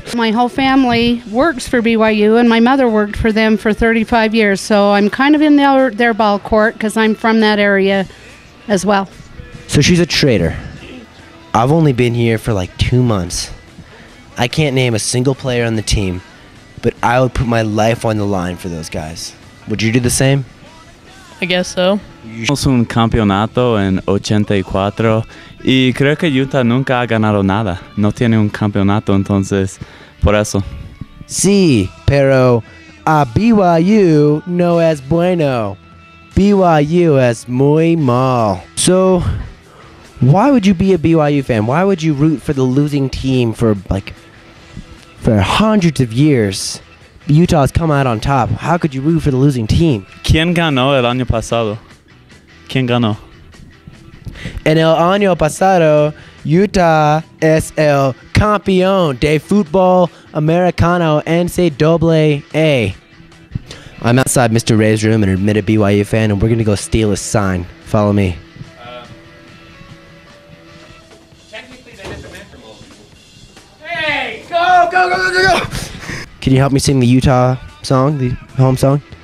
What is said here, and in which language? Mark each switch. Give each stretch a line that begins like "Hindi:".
English: My whole family works for BYU, and my mother worked for them for 35 years, so I'm kind of in their ball court because I'm from that area as well. So she's a traitor. I've only been here for like 2 months. I can't name a single player on the team, but I would put my life on the line for those guys. Would you do the same? I guess so.
Spanish: Es un campeonato en 84 y creo que Utah nunca ha ganado nada. No tiene un campeonato, entonces, por eso. Sí, pero a BYU no es bueno. BYU es muy mal.
English: So, why would you be a BYU fan? Why would you root for the losing team for hundreds of years? Utah has come out on top. How could you root for the losing team?
Spanish: ¿Quién ganó el año pasado? ¿Quién ganó? En el año pasado, Utah es el campeón de fútbol americano NCAA.
English: I'm outside Mr. Ray's room, an admitted BYU fan, and we're going to go steal his sign. Follow me. Technically, they hit the metronome. Hey, go! Can you help me sing the Utah song, the home song?